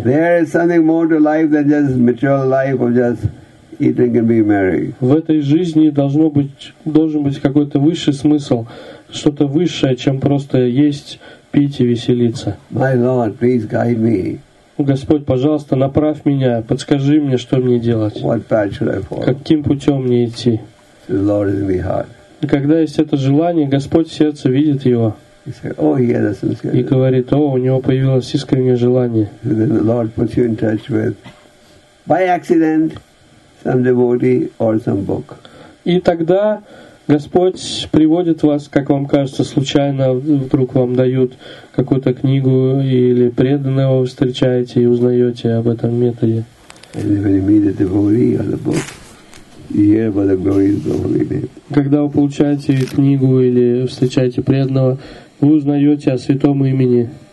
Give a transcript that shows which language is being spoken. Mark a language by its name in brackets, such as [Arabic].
[English] There is something more to life than just material life of just eating and being merry. [Russian] В этой жизни должен быть какой-то высший смысл, что-то высшее, чем просто есть, пить и веселиться. [English] My Lord, please guide me. [Russian] Господь, пожалуйста, направь меня, подскажи мне, что мне делать. [English] What path should I follow? [Russian] Каким путем мне идти? [English] The Lord is in my heart. [Russian] И когда есть это желание, Господь в сердце видит его. И говорит, о, у него появилось искреннее желание. [English] And then the Lord puts you in touch with, by accident, some devotee or some book. [Russian] И тогда Господь приводит вас, как вам кажется, случайно вдруг вам дают какую-то книгу или преданного вы встречаете и узнаете об этом методе. Когда вы получаете книгу или встречаете преданного, вы узнаете о святом имени.